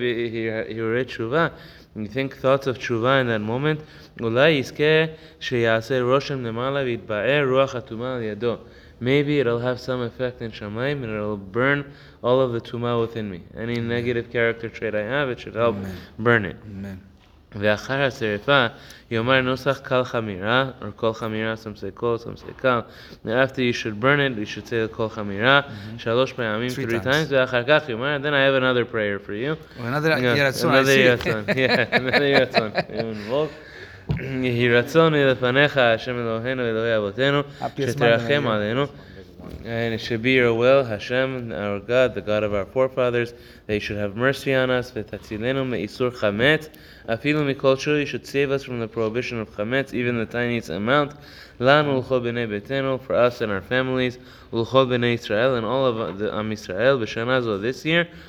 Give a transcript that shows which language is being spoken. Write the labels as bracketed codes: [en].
[en] You think thoughts of tshuva in that moment. Maybe it'll have some effect in Shamayim and it'll burn all of the tuma within me. Any negative character trait I have, it should help burn it. Amen. [he] ואחר השריפה, יאמר נוסח קל חמירה, or קל חמירה, [en] some say קל, some say קל. And after you should burn it, you should say קל חמירה, [he] שלוש פעמים, [en] three times. [he] ואחר כך, יאמר, [en] then I have another prayer for you. Another Yeratzon. [he] יהי רצון לפניך, השם אלוהינו, אלוהי אבותינו, שתרחם עלינו. [en] And it should be your will, Hashem, our God, the God of our forefathers, that you should have mercy on us. [he] V'tatzilenu me'isur chametz. Afilu mikol shu, [en] you should save us from the prohibition of chametz, even the tiniest amount. [he] Lan ulcho b'nei betenu, [en] for us and our families. [he] Ulcho b'nei Yisrael, [en] and all of the Am Yisrael, [he] b'shana zo, [en] this year.